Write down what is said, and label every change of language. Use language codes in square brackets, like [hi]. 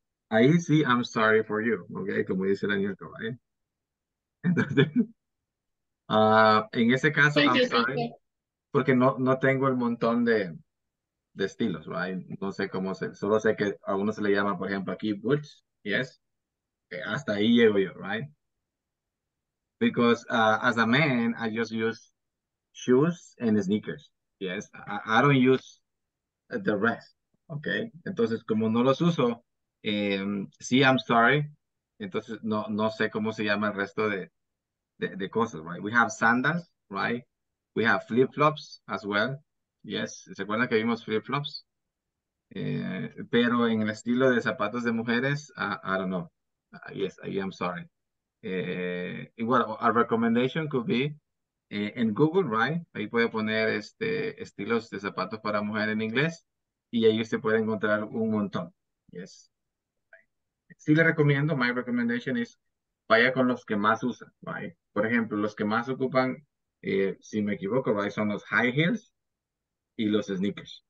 [es] Ahí sí, [en] I'm sorry for you, okay? [es] Como dice la niña, ¿vale? En ese caso, [en] I'm sorry, [es] porque no tengo el montón de estilos, right? No sé cómo se, solo sé que a uno se le llama, por ejemplo, aquí boots, yes? Hasta ahí llego yo, right? [en] Because as a man, I just use shoes and sneakers, yes? I don't use the rest. Okay, [es] entonces como no los uso, sí, [en] I'm sorry. [es] Entonces no sé cómo se llama el resto de cosas, right? [en] We have sandals, right? We have flip-flops as well. [es] Yes, ¿se acuerdan que vimos flip-flops? Pero en el estilo de zapatos de mujeres, [en] I don't know. Yes, I'm sorry. Igual, a recommendation could be in Google, right? [es] Ahí puede poner estilos de zapatos para mujeres en inglés. Y ahí usted puede encontrar un montón. Yes. Sí le recomiendo, [en] my recommendation is [es] vaya con los que más usan, right? Por ejemplo, los que más ocupan, si me equivoco, right, son los high heels y los sneakers.